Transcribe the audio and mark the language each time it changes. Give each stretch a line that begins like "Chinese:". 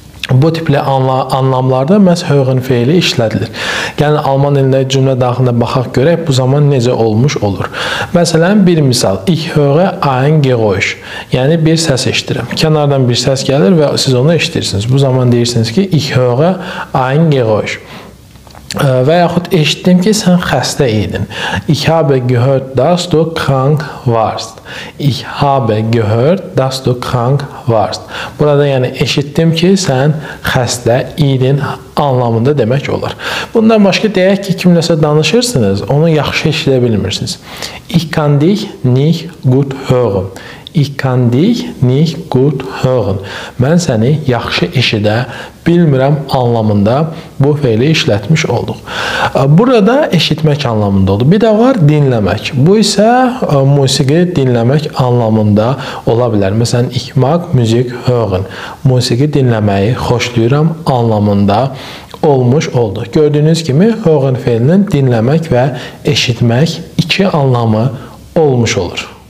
Azerbaijani: Bu tipli anlamlarda məhz höğün feili işlədilir. Yəni, alman dilində cümlə daxilində baxaq görək, bu zaman necə olmuş olur. Məsələn, bir misal.
German: Ich höre ein Geräusch.
Azerbaijani: Yəni, bir səs eşitdirəm. Kənardan bir səs gəlir və siz onu eşitdirsiniz. Bu zaman deyirsiniz ki,
German: ich höre ein Geräusch.
Azerbaijani: Və yaxud eşitdim ki, sən xəstə idin.
German: Ich habe gehört, dass du krank warst. Ich habe gehört, dass du krank warst.
Azerbaijani: Burada yəni eşitdim ki, sən xəstə idin anlamında demək olar. Bundan başqa deyək ki, kimləsə danışırsınız, onu yaxşı eşidə bilmirsiniz.
German: Ich kann dich nicht gut hören. Ich kann dich nicht gut hören.
Azerbaijani: Mən səni yaxşı eşidə bilmirəm anlamında bu feili işlətmiş olduq. Burada eşitmək anlamında olur. Bir də var dinləmək. Bu isə musiqi dinləmək anlamında ola bilər. Məsələn,
German: ich mag Musik hören.
Azerbaijani: Musiqi dinləməyi xoşlayıram anlamında olmuş oldu. Gördüyünüz kimi hören feilinin dinləmək və eşitmək iki anlamı olmuş olur.